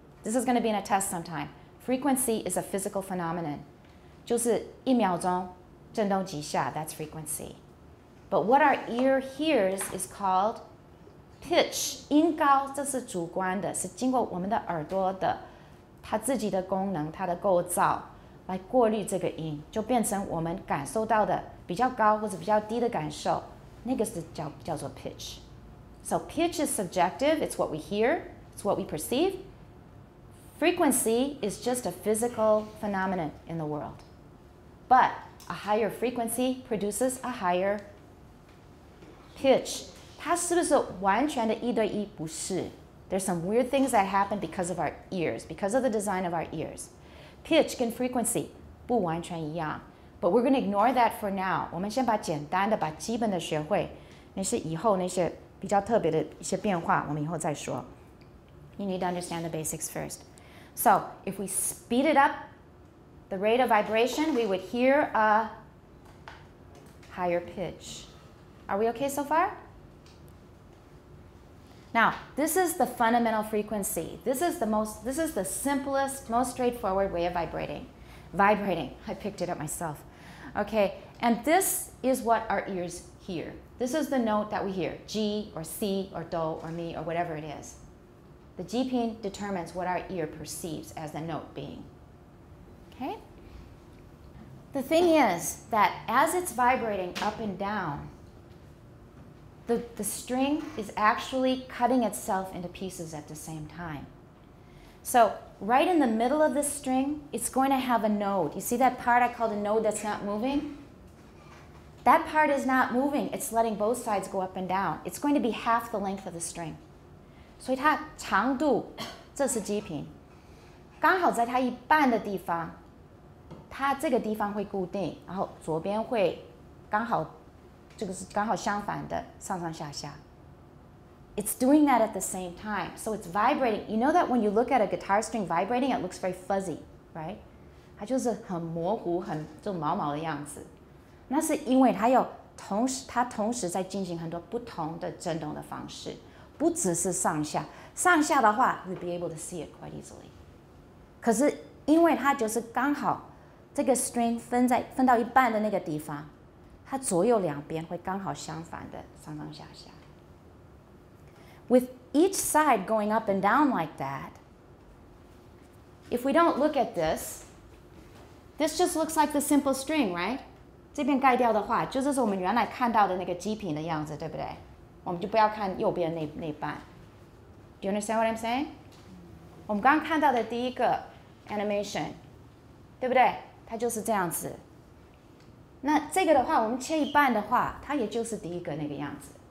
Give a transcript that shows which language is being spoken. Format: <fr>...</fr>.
<en>This is going to be in a test sometime. Frequency is a physical phenomenon.</en> <zh>就是一秒钟震动几下,</zh> <en>that's frequency. But what our ear hears is called pitch.</en> <zh>音高,这是主观的,是经过我们的耳朵的,它自己的功能,它的构造, 来过滤这个音,就变成我们感受到的比较高或者比较低的感受, 那个是叫做pitch.</zh> <en>So pitch is subjective, it's what we hear, it's what we perceive. Frequency is just a physical phenomenon in the world. But a higher frequency produces a higher pitch.</en> <zh>它是不是完全的一对一不是?</zh> <en>There's some weird things that happen because of our ears, because of the design of our ears. Pitch and frequency,</en> <zh>不完全一样.</zh> <en>But we're going to ignore that for now.</en> <zh>我们先把简单的、把基本的学会, 那些以后那些比较特别的一些变化,我们以后再说.</zh> <en>You need to understand the basics first. So, if we speed it up the rate of vibration, we would hear a higher pitch. Are we okay so far? Now, this is the fundamental frequency. This is the simplest, most straightforward way of vibrating. Vibrating. I picked it up myself. Okay, and this is what our ears hear. This is the note that we hear, G or C or Do or Mi or whatever it is. The GP determines what our ear perceives as the note being. Okay? The thing is that as it's vibrating up and down, the string is actually cutting itself into pieces at the same time. So right in the middle of this string, it's going to have a node. You see that part I called a node that's not moving? That part is not moving. It's letting both sides go up and down. It's going to be half the length of the string.</en> <zh>所以它长度,这是G频, 刚好在它一半的地方, 它这个地方会固定, 然后左边会刚好, 这个是刚好相反的,上上下下.</zh> <en>It's doing that at the same time. So it's vibrating. You know that when you look at a guitar string vibrating, it looks very fuzzy, right?</en> <zh>它就是很模糊,很就毛毛的样子. 那是因为它同时在进行很多不同的振动的方式, 不只是上下, 上下的话,</zh> <en>we'd be able to see it quite easily.</en> <zh>可是因为它就是刚好, 这个string分到一半的那个地方, 它左右两边会刚好相反的上上下下.</zh> <en>With each side going up and down like that, if we don't look at this, this just looks like the simple string, right?</en> <zh>这边盖掉的话, 就是我们原来看到的那个G频的样子, 对不对? 我们就不要看右边那半。</zh> <en>Do you understand what I'm saying?</en> <zh>Mm-hmm. 我们刚看到的第一个 animation, 对不对?它就是这样子。那这个的话, 我们切一半的话, 它也就是第一个那个样子。</zh>